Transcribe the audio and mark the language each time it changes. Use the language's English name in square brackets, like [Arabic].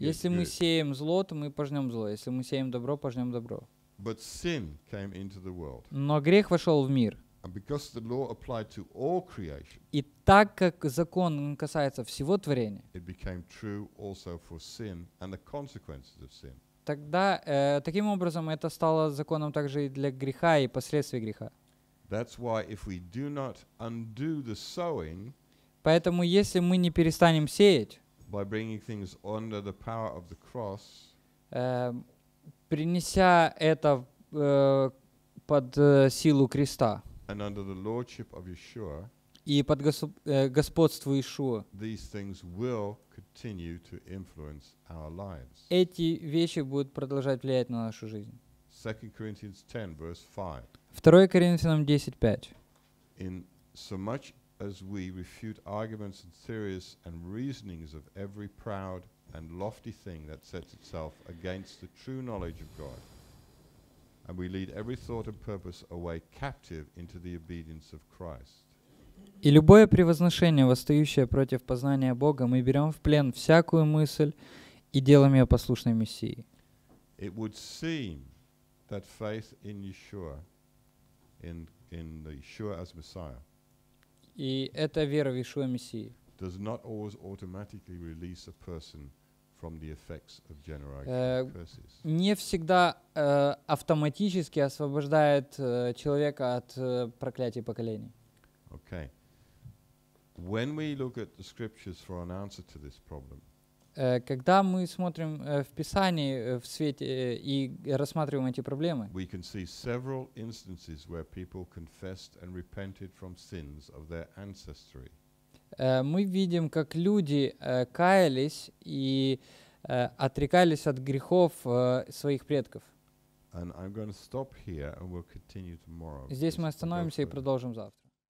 [Russian] Если мы сеем зло, то мы пожнем зло. Если мы сеем добро, пожнем добро. [English] But sin came into the world. [Russian] Но грех вошел в мир. [English] And because the law applied to all creation, [Russian] и так как закон касается всего творения, [English] it became true also for sin and the consequences of sin. [Russian] Тогда, таким образом, это стало законом также и для греха, и последствий греха. [English] That's why if we do not undo the sowing, [Russian] поэтому, если мы не перестанем сеять, [English] by bringing things under the power of the cross, [Russian] принеся это под силу креста, [English] and under the lordship of Yeshua, [Russian] и под господству Иешуа, [English] these things will continue to influence our lives. [Russian] Эти вещи будут продолжать влиять на нашу жизнь. [English] 2 Corinthians 10, verse 5. [Russian] 2 Коринфянам 10:5. [English] In so much as we refute arguments and theories and reasonings of every proud and lofty thing that sets itself against the true knowledge of God, and we lead every thought and purpose away captive into the obedience of Christ. [Russian] И любое превозношение, восстающее против познания Бога, мы берем в плен всякую мысль и делаем ее послушной Мессии. [English] It would seem that faith in Yeshua, in the Yeshua as Messiah, [Russian] и эта вера в Иешуа Мессии, [English] does not always automatically release a person from the effects of generational curses. [Russian] Не всегда автоматически освобождает человека от проклятий поколений. [English] Okay. When we look at the scriptures for an answer to this problem, [Russian] когда мы смотрим в Писании в свете и рассматриваем эти проблемы, [English] we can see several instances where people confessed and repented from sins of their ancestry. [Russian] Мы видим, как люди каялись и отрекались от грехов своих предков. [English] And I'm going to stop here and we'll continue tomorrow. [Russian] Здесь мы остановимся и продолжим завтра.